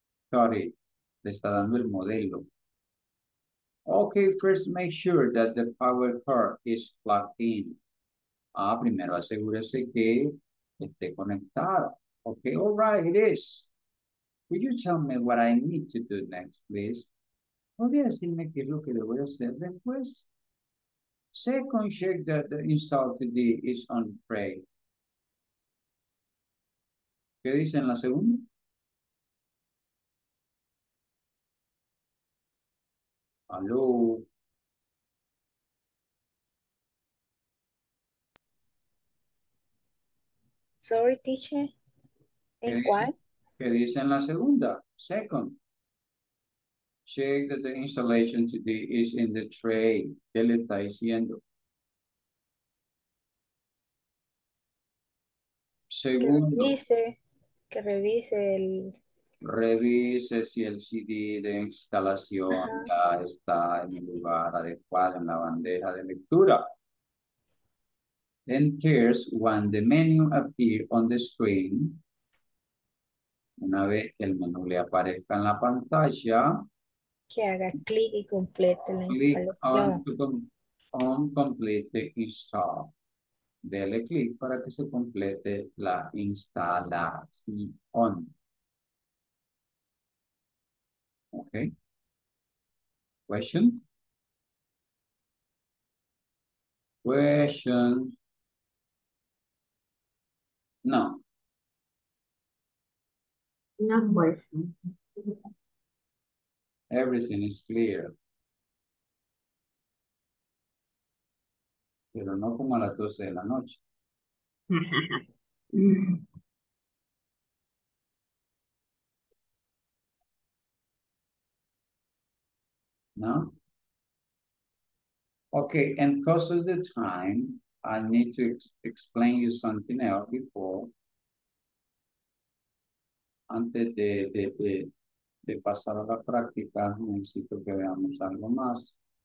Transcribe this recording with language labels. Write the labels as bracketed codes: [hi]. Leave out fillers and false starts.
[es] Sorry, le está dando el modelo. [en] Okay, first make sure that the power cord is plugged in. [es] Ah, primero asegúrese que esté conectada. [en] Okay, all right, it is. Could you tell me what I need to do next, please? [es] ¿Podría decirme qué es lo que debo hacer después? [en] Second, check that the install TD is on tray. [es] ¿Qué dice en la segunda? [en] Hello. Sorry, teacher. [es] ¿En cuál? ¿Qué dice en la segunda? [en] Second. Check that the installation TD is in the tray. [es] ¿Qué le está diciendo? Segundo. Que revise el... Revise si el CD de instalación ya está en el lugar adecuado en la bandeja de lectura. [en] Then there's when the menu appears on the screen. [es] Una vez que el menú le aparezca en la pantalla. Que haga clic y complete la instalación. [en] On complete the install. [es] Dele clic para que se complete la instalación. [en] Okay. Question. No. No question. Everything is clear. [es] Pero no como a las 12 de la noche. No? [en] Okay, and because of the time, I need to explain you something else before. [es] Antes de pasar a la práctica, necesito que veamos algo más.